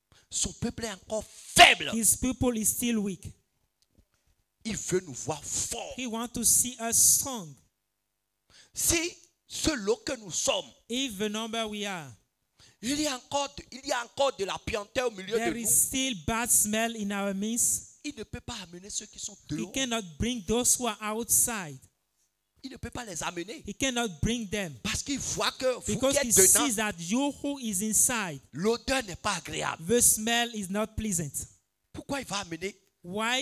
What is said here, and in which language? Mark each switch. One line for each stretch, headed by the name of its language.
French: Son peuple est encore faible.
English: His people is still weak.
French: Il veut nous voir forts.
English: He wants to see us strong.
French: Si ce lot que nous sommes,
English: if the number we are,
French: il y a encore de la puanteur au milieu de nous.
English: There is still bad smell in our midst.
French: Il ne peut pas amener ceux qui sont dehors.
English: He cannot bring those who are outside.
French: Il ne peut pas les amener.
English: He cannot bring them.
French: Parce qu'il voit que vous
English: because
French: qui êtes dedans,
English: sees that you who is inside,
French: l'odeur n'est pas agréable.
English: The smell is not pleasant.
French: Pourquoi il va amener
English: why